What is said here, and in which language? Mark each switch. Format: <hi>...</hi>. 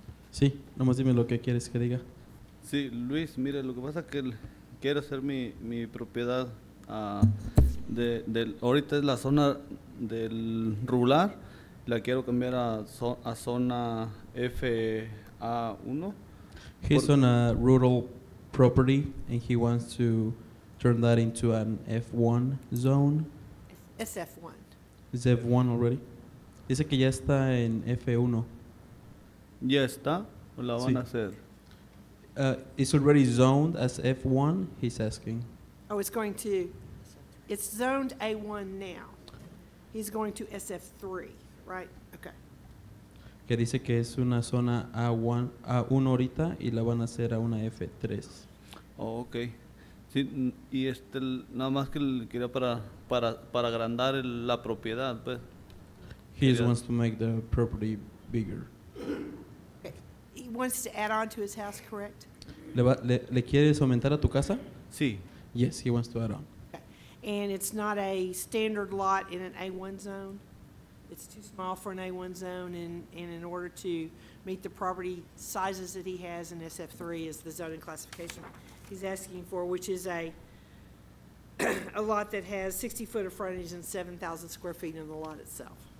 <es>Sí, nomás dime lo que quieres que diga. Sí, Luis, mire, lo que pasa es que quiero hacer mi propiedad ahorita es la zona del rural, la quiero cambiar a zona FA1.</es> <en>He's on a rural property and he wants to turn that into an F1 zone. SF1. Is F1 already?</en> <es>Dice que ya está en FA1. Ya está, o la van a hacer.</es> <en>It's already zoned as F1, he's asking. Oh, it's zoned A1 now. He's going to SF3, right? Okay.</en> <es>Que dice que es una zona A1 ahorita y la van a hacer a una F3.</es> <en>Oh, okay.</en> <es>Sí, y nada más que quería para agrandar la propiedad, pues.</es> <en>He just wants to make the property bigger. Okay. He wants to add on to his house, correct?</en> <es>¿Le quieres aumentar a tu casa? Sí.</es> <en>Yes, he wants to add on. Okay. And it's not a standard lot in an A1 zone. It's too small for an A1 zone, and in order to meet the property sizes that he has in SF3 is the zoning classification he's asking for, which is a a lot that has 60 foot of frontage and 7,000 square feet in the lot itself.</en>